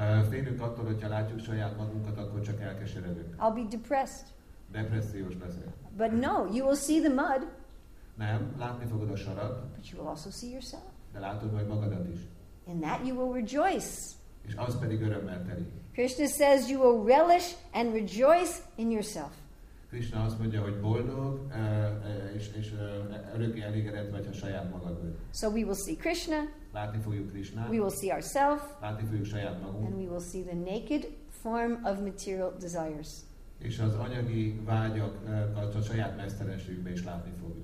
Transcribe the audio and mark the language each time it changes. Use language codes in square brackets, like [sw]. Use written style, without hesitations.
[hu] Félünk attól, hogyha látjuk saját magunkat, akkor csak elkeseredünk. [en] I'll be depressed. [hu] Depressziós leszek. [en] But no, you will see the mud. [hu] Nem, látni fogod a sarat. [en] But you will also see yourself. [hu] De látod majd magadat is. [en] In that you will rejoice. [hu] És az pedig örömmel teli. [en] Krishna says you will relish and rejoice in yourself. [hu] Krishna azt mondja, hogy boldog és örökké elégedett vagy a saját magad. [en] So we will see Krishna. [hu] Látni fogjuk Krishnát. [en] We will see ourselves. [hu] Látni fogjuk saját magunkat. [en] And we will see the naked form of material desires. [hu] És az anyagi vágyakat a saját mesztelenségünkben is látni fogjuk.